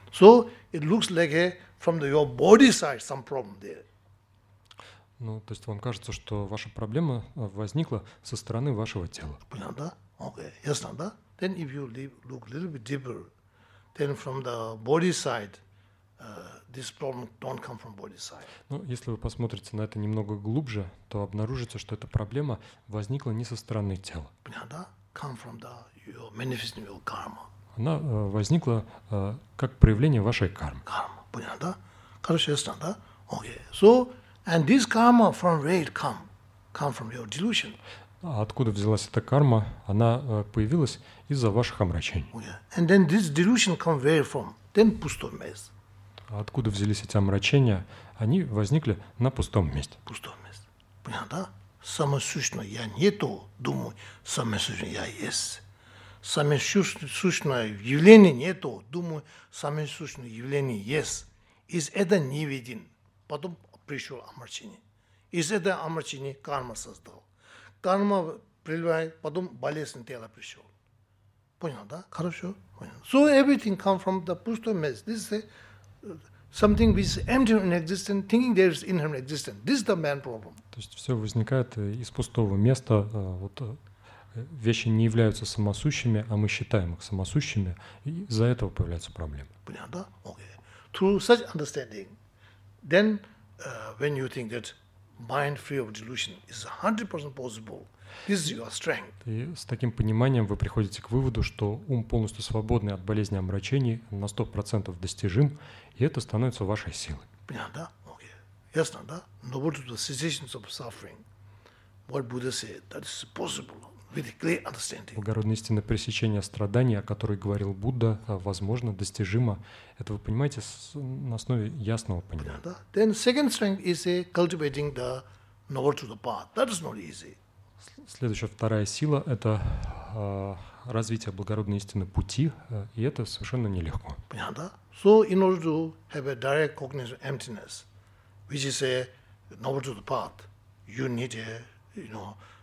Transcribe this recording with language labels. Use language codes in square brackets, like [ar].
[en] So it looks like from the, your body side some problem there. [ru] Ну, то есть вам кажется, что ваша проблема возникла со стороны вашего тела. Понятно, да? [en] Okay. [ru] Ясно, да? [en] Then if you look a little bit deeper, then from the body side, this problem don't come from body side. [ru] Ну, если вы посмотрите на это немного глубже, то обнаружите, что эта проблема возникла не со стороны тела. Понятно, да? [en] Come from the your manifesting your karma. [ru] Она возникла как проявление вашей кармы. Карма, понятно, да? Короче, ясно, да? Окей. [en] So, and this karma from where it come? Come from your delusion. [ru] Откуда взялась эта карма? Она появилась из-за ваших омрачений. [en] Okay. And then this delusion come where from? Then [ru] пустой мест. Откуда взялись эти омрачения? Они возникли на пустом месте. Пустом месте. Понятно, да? Самое сущное я нету, думаю, самое сущное я есть. Самое сущное явление нету, думаю, самое сущное явление есть. Из этого не виден. Потом пришел омрачение. Из этого омрачение карма создал. карма приливает, потом болезнь тела пришел. Понял, да? Хорошо? Понял. [en] So everything comes from the push to mess. This is something which is empty in existence, thinking there is inherent existence. This is the man problem. [ru] То есть все возникает из пустого места. Вот вещи не являются самосущими, а мы считаем их самосущими, и из-за этого появляются проблемы. Понял, да? [en] Okay. Through such understanding, then when you think that mind free of delusion is 100% possible, this is your strength. [ru] И с таким пониманием вы приходите к выводу, что ум полностью свободный от болезни омрачений на 100% достижим, и это становится вашей силой. Понял, да? [en] Okay. [ru] Ясно, да? Но вот [en] the cessation of suffering, what Buddha said, that is possible. [ru] Благородная истина пресечения страданий, о которой говорил Будда, возможно, достижимо. Это вы понимаете на основе ясного понимания. [en] Then second strength is cultivating the knowledge of the path. That is not easy. [ru] Следующая вторая сила – это развитие благородной истины пути, и это совершенно нелегко. Понятно? [en] So in order to have a direct cognition of emptiness, which is a knowledge of the path, you need a, you know.